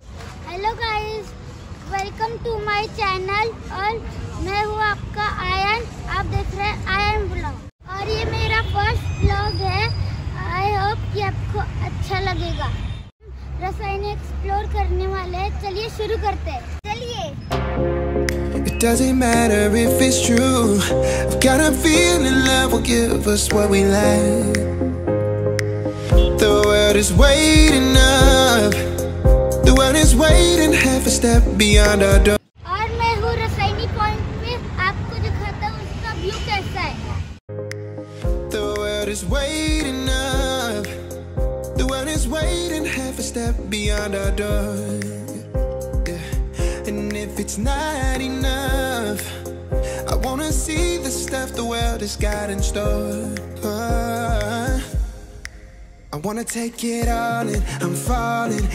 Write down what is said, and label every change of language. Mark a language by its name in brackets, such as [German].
[English] Hello guys, welcome to my channel. [Hindi] और मैं हूँ आपका आयन। आप देख रहे हैं आयन ब्लॉग, और ये मेरा फर्स्ट ब्लॉग है। आई होप कि आपको अच्छा लगेगा। रसायनी एक्सप्लोर करने वाले हैं, चलिए शुरू करते हैं। चलिए। [English] It doesn't matter if it's true. I've got a feeling love will give us what we like. The world is waiting up. The world is waiting half a step beyond our door. [Hindi] और मैं हूँ Rasayani point पे, आपको दिखाता हूँ उसका view कैसा है। [English] The world is waiting up. The world is waiting half a step beyond our door. If it's not enough, I wanna see the stuff the world has got in store. I wanna take it all in, I'm falling.